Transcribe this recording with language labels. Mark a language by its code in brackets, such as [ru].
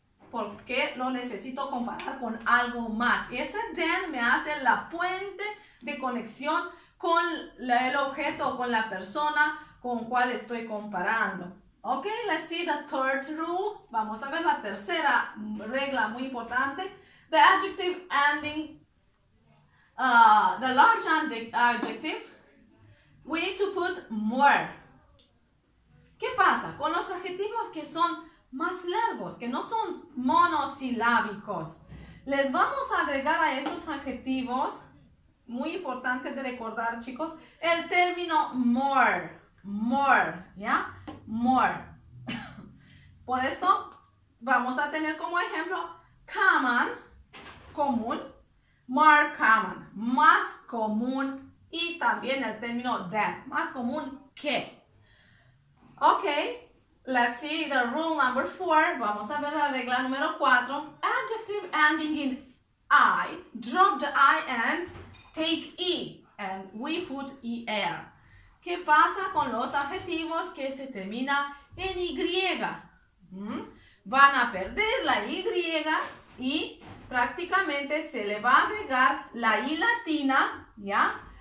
[es] Porque lo necesito comparar con algo más. Y ese than me hace la puente de conexión con el objeto, con la persona con cual estoy comparando. [en] Ok, let's see the third rule. [es] Vamos a ver la tercera regla muy importante. [en] The adjective ending, the large adjective, we need to put more. [es] ¿Qué pasa con los adjetivos que son más largos, que no son monosilábicos? Les vamos a agregar a esos adjetivos, muy importante de recordar, chicos, el término more, more, ¿ya? More. Por esto, vamos a tener como ejemplo, common, común, more common, más común, y también el término than, más común que. [en] Ok, let's see the rule number four. [es] Vamos a ver la regla número cuatro. [en] Adjective ending in I, drop the I and take E, and we put ER. [es] ¿Qué pasa con los adjetivos que se termina en Y? Van a perder la Y y prácticamente se le va a agregar la I latina, ¿ya?